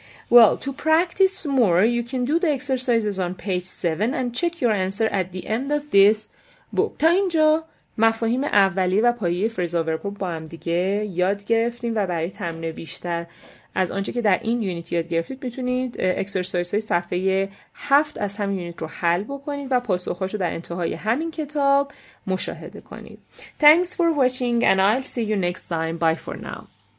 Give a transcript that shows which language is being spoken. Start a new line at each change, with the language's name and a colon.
English: Well, to practice more, you can do the exercises on page 7 and check your answer at the end of this book.
Persian: تا اینجا مفاهیم اولیه و پایه‌ی phrasal verb رو با هم دیگه یاد گرفتیم و برای تمرین بیشتر از آنچه که در این یونیت یاد گرفتید میتونید اکسرسایز های صفحه 7 از همین یونیت رو حل بکنید و پاسخ‌هاش رو در انتهای همین کتاب مشاهده کنید.
English: Thanks for watching and I'll see you next time. Bye for now.